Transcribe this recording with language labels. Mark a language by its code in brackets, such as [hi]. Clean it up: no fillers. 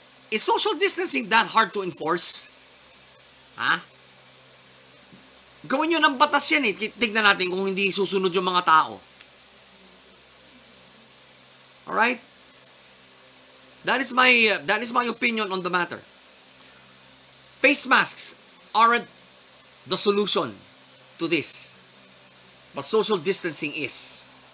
[en] Is social distancing that hard to enforce? [tl] Ha? Huh? Gawin nyo ng batas yan eh. Tignan natin kung hindi susunod yung mga tao. [en] Alright? That is my opinion on the matter. Face masks aren't the solution to this. But social distancing is.